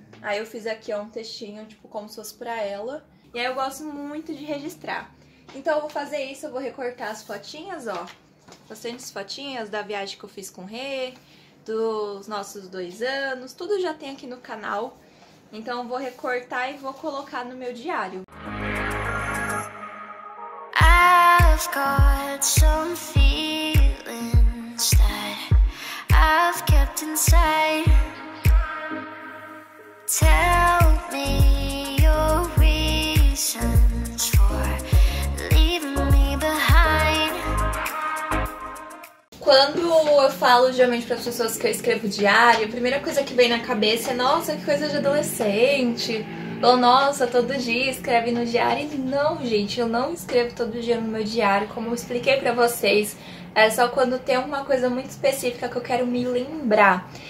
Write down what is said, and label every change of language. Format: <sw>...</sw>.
<pt>Aí eu fiz aqui um textinho, tipo, como se fosse pra ela. E aí eu gosto muito de registrar. Então eu vou fazer isso, eu vou recortar as fotinhas, ó. Bastante fotinhas da viagem que eu fiz com o Rê, dos nossos 2 anos. Tudo já tem aqui no canal. Então eu vou recortar e vou colocar no meu diário.</pt> <en>I've got some feelings that I've kept inside. Tell me your reasons for leaving me behind.</en> <pt>Quando eu falo geralmente para as pessoas que eu escrevo diário, a primeira coisa que vem na cabeça é: nossa, que coisa de adolescente. Ou nossa, todo dia escreve no diário. E não, gente, eu não escrevo todo dia no meu diário, como eu expliquei para vocês. É só quando tem uma coisa muito específica que eu quero me lembrar.</pt>